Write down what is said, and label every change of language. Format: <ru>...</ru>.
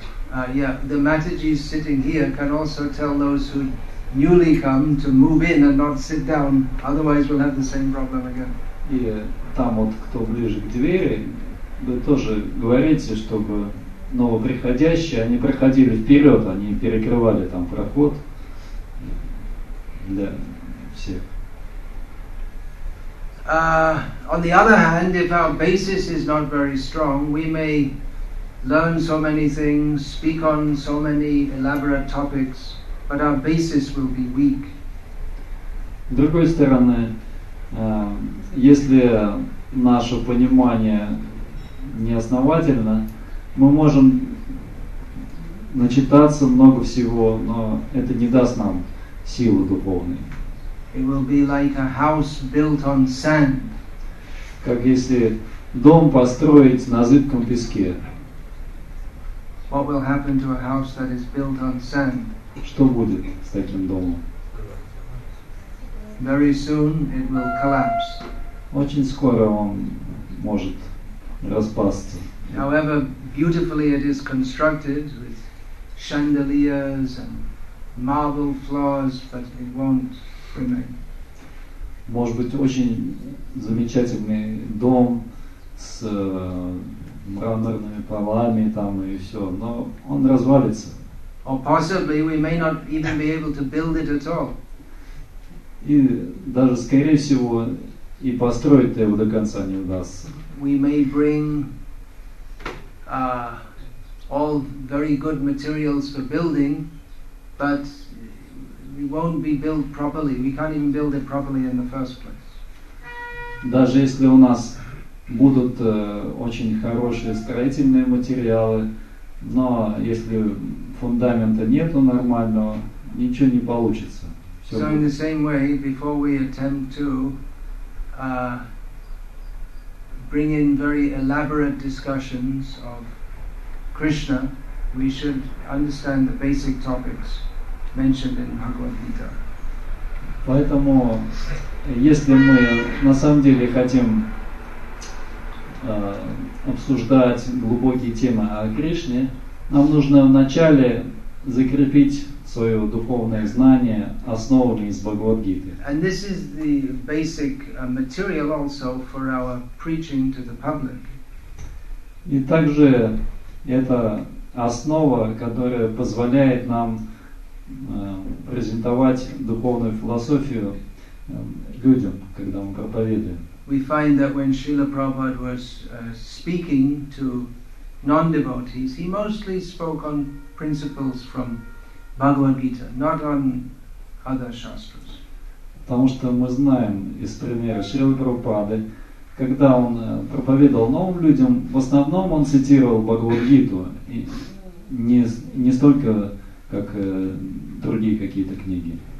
<en>The Matajis sitting here can also tell those who newly come to move in and not sit down, otherwise we'll have the same problem again.</en> <ru>И там вот, кто ближе к двери, вы тоже говорите, чтобы новоприходящие, они проходили вперед, они перекрывали там проход.</ru> <en>On the other hand, if our basis is not very strong, we may learn so many things, speak on so many elaborate topics, but our basis will be weak.</en> <ru>С другой стороны, если наше понимание не основательно, мы можем начитаться много всего, но это не даст нам силы духовной.</ru> <en>It will be like a house built on sand.</en> <ru>Как если дом построить на зыбком песке.</ru> <en>What will happen to a house that is built on sand?</en> <ru>Что будет с таким домом?</ru> <en>Very soon it will collapse.</en> <ru>Очень скоро он может распасться.</ru> <en>However beautifully it is constructed with chandeliers and marble floors, but it won't remain.</en> <ru>Может быть, очень замечательный дом с мраморными полами там и все, но он развалится.</ru> <en>Or possibly we may not even be able to build it at all.</en> <ru>И даже, скорее всего, и построить его до конца не удастся.</ru> <en>We may bring all very good materials for building, but we won't be built properly. We can't even build it properly in the first place.</en> <ru>Даже если у нас будут очень хорошие строительные материалы, но если фундамента нету нормального, ничего не получится. Все</ru> <en>so</en> <ru>будет.</ru> <en>In the same way, before we attempt to bring in very elaborate discussions of Krishna, we should understand the basic topics mentioned in Bhagavad-gita.</en> <ru>Поэтому, если мы на самом деле хотим обсуждать глубокие темы о Кришне, нам нужно вначале закрепить свое духовное знание, основанное из Бхагавад-гиты.</ru> <en>And this is the basic material also for our preaching to the public.</en> <ru>И также это основа, которая позволяет нам презентовать духовную философию людям, когда мы проповедуем.</ru> <en>We find that when Srila Prabhupada was speaking to non-devotees, he mostly spoke on principles from Bhagavad-gita, not on other shastras.</en> <ru>Потому что мы знаем из примера Шрилы Прабхупады, когда он проповедовал новым людям, в основном он цитировал Бхагавад-гиту, не столько как другие какие-то книги.</ru>